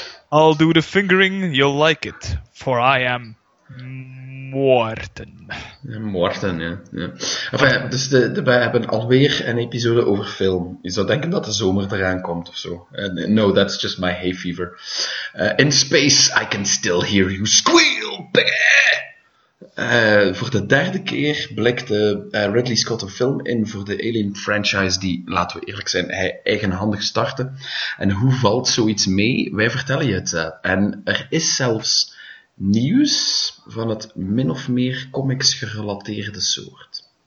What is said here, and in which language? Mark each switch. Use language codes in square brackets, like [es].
[en] I'll do the fingering, you'll like it. For I am Maarten. [nl] Maarten, ja. Enfin, dus we hebben alweer een episode over film. Je zou denken dat de zomer eraan komt of zo. [en] No, that's just my hay fever. In space, I can still hear you squeal, bitch! [nl] Voor de derde keer blikte Ridley Scott een film in voor de Alien franchise die, laten we eerlijk zijn, hij eigenhandig startte. En hoe valt zoiets mee? Wij vertellen je het. En er is zelfs nieuws van het min of meer comics gerelateerde soort.